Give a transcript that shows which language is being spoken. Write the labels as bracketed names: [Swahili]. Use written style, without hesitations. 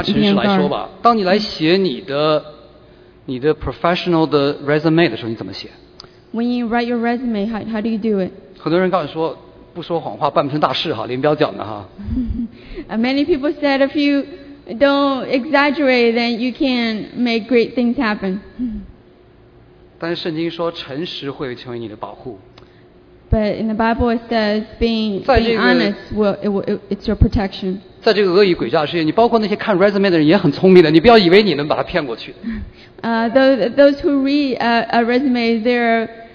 [English] keep in mind. [Chinese] 拿诚实来说吧，当你来写你的 professional 的 resume 的时候，你怎么写 [English] ？When you write your resume, how do you do it? [Chinese] 很多人告诉你说，不说谎话办不成大事哈，连标奖的哈。 [English] Many people said if you don't exaggerate, then you can make great things happen. [Chinese] 但是圣经说诚实会成为你的保护。 [English] But in the Bible it says being honest it's your protection. [Chinese] 在这个恶意诡诈的世界，你包括那些看 resume 的人也很聪明的，你不要以为你能把他骗过去。 [English] Those who read a resume, they're